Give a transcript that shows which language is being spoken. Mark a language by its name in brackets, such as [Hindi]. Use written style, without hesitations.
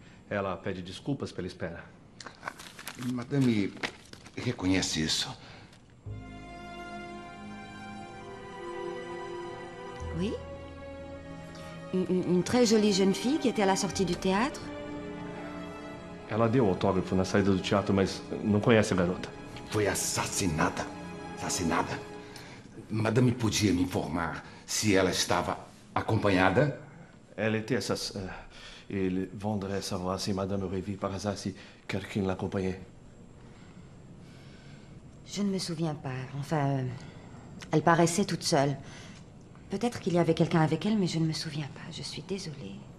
[Portuguese] Ela pede desculpas pela espera. Madame, reconhece isso? [French] Oui. Une très jolie jeune fille qui était à la sortie du théâtre. [Portuguese] Ela deu autógrafo na saída do teatro, mas não conhece a garota. Foi assassinada. Assassinada. Madame, podia me informar se ela estava acompanhada? Ela tem essas... [French] Il vendrait savoir si Madame Révy, par hasard, si quelqu'un l'accompagnait. Je ne me souviens pas. Enfin, elle paraissait toute seule. Peut-être qu'il y avait quelqu'un avec elle, mais je ne me souviens pas. Je suis désolée.